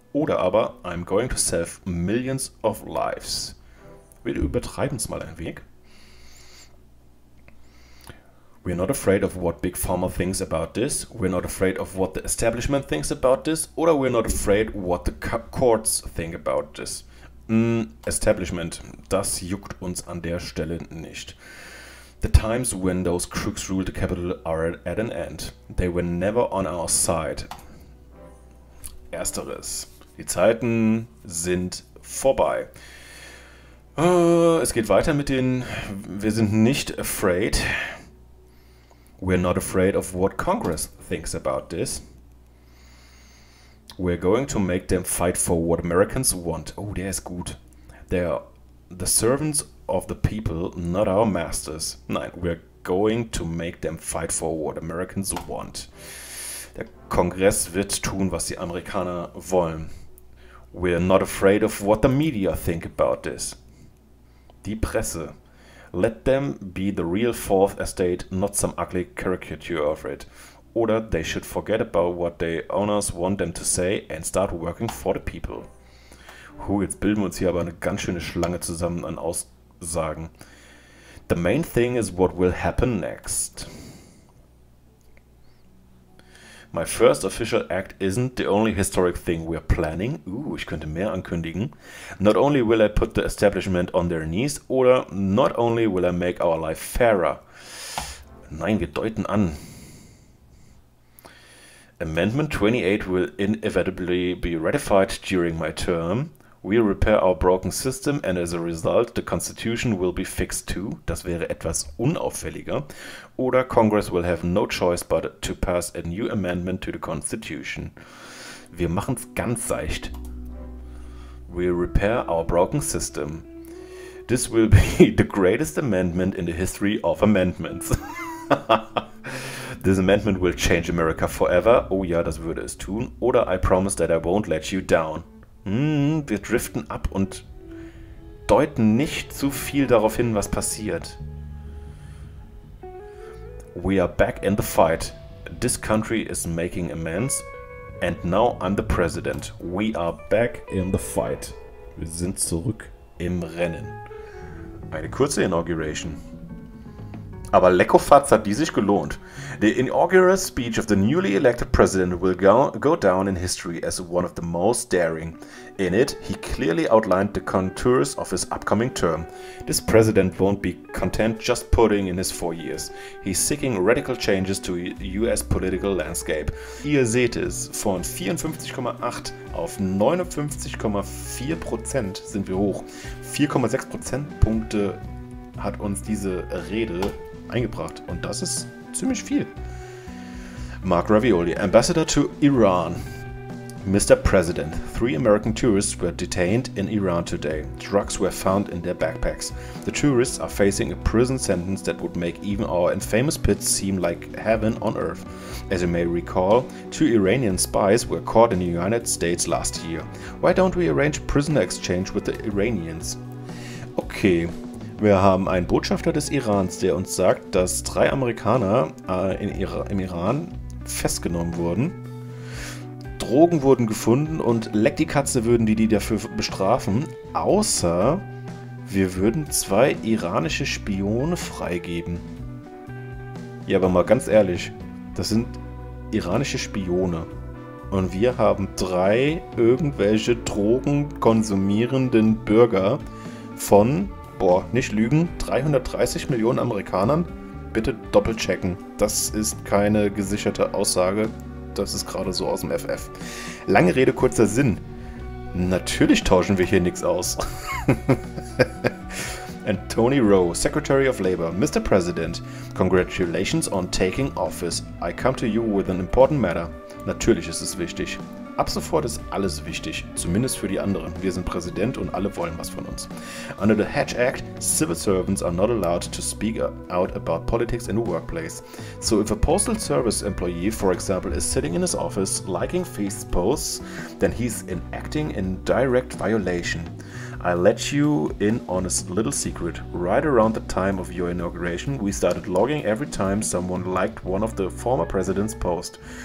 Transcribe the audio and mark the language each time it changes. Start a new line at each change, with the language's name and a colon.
German: Oder aber,
English: I'm going to save millions of lives.
German: Wir übertreiben es mal ein wenig.
English: We're not afraid of what Big Pharma thinks about this. We're not afraid of what the establishment thinks about this. Oder we're not afraid what the courts think about this.
German: Establishment, das juckt uns an der Stelle nicht.
English: The times when those crooks rule the capital are at an end. They were never on our side.
German: Ersteres. Die Zeiten sind vorbei. Es geht weiter mit den. Wir sind nicht
English: afraid. We're not afraid of what Congress thinks about this. We're going to make them fight for what Americans want.
German: Oh, der ist gut.
English: They are the servants of the people, not our masters. Nein, we're going to make them fight for what Americans want.
German: Der Kongress wird tun, was die Amerikaner wollen.
English: We're not afraid of what the media think about this.
German: Die Presse.
English: Let them be the real fourth estate, not some ugly caricature of it. Oder they should forget about what the owners want them to say and start working for the people.
German: Huh, jetzt bilden wir uns hier aber eine ganz schöne Schlange zusammen an Aussagen.
English: The main thing is what will happen next. My first official act isn't the only historic thing we're planning.
German: Ich könnte mehr ankündigen.
English: Not only will I put the establishment on their knees, oder not only will I make our life fairer.
German: Nein, wir deuten an.
English: Amendment 28 will inevitably be ratified during my term. We'll repair our broken system and as a result the constitution will be fixed too.
German: Das wäre etwas unauffälliger.
English: Oder Congress will have no choice but to pass a new amendment to the constitution.
German: Wir machen's ganz seicht.
English: We'll repair our broken system. This will be the greatest amendment in the history of amendments. This amendment will change America forever.
German: Oh ja, das würde es tun.
English: Oder I promise that I won't let you down.
German: Wir driften ab und deuten nicht zu viel darauf hin, was passiert.
English: We are back in the fight. This country is making amends. And now I'm the president. We are back in the fight.
German: Wir sind zurück im Rennen. Eine kurze Inauguration. Aber leckofatz hat die sich gelohnt.
English: The inaugural speech of the newly elected president will go down in history as one of the most daring. In it, he clearly outlined the contours of his upcoming term. This president won't be content just putting in his 4 years. He's seeking radical changes to US political landscape.
German: Ihr seht es, von 54,8 auf 59,4% sind wir hoch. 4,6 Prozentpunkte hat uns diese Rede eingebracht und das ist ziemlich viel.
English: Mark Ravioli, Ambassador to Iran. Mr. President, 3 American tourists were detained in Iran today. Drugs were found in their backpacks. The tourists are facing a prison sentence that would make even our infamous pits seem like heaven on earth. As you may recall, 2 Iranian spies were caught in the United States last year. Why don't we arrange prisoner exchange with the Iranians? Okay.
German: Wir haben einen Botschafter des Irans, der uns sagt, dass 3 Amerikaner im Iran festgenommen wurden. Drogen wurden gefunden und leck die Katze würden die dafür bestrafen. Außer wir würden 2 iranische Spione freigeben. Ja, aber mal ganz ehrlich, das sind iranische Spione. Und wir haben 3 irgendwelche Drogen konsumierenden Bürger von... Boah, nicht lügen, 330 Millionen Amerikanern, bitte doppelchecken. Das ist keine gesicherte Aussage, das ist gerade so aus dem FF. Lange Rede, kurzer Sinn. Natürlich tauschen wir hier nichts aus.
English: And Tony Rowe, Secretary of Labor. Mr. President, congratulations on taking office. I come to you with an important matter.
German: Natürlich ist es wichtig. Ab sofort ist alles wichtig, zumindest für die anderen. Wir sind Präsident und alle wollen was von uns.
English: Under the Hatch Act, civil servants are not allowed to speak out about politics in the workplace. So if a postal service employee, for example, is sitting in his office liking Facebook posts, then he's acting in direct violation. I let you in on a little secret. Right around the time of your inauguration, we started logging every time someone liked one of the former president's posts.